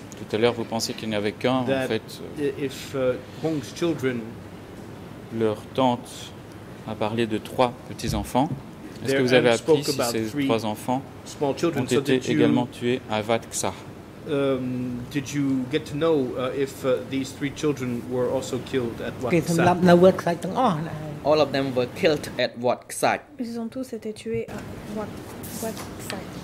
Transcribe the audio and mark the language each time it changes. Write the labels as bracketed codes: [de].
[fr] Tout à l'heure, vous pensez qu'il n'y avait qu'un, en fait. [en] If, Hong's children, [fr] leur tante a parlé de 3 petits-enfants. Est-ce que vous avez appris si ces 3 enfants ont été également tués à Wat Ksa? [en] Did you get to know if these 3 children were also killed at Wat Ksa? All of them were killed at Wat Ksa. [fr] Ils ont tous été tués à Wat Ksa.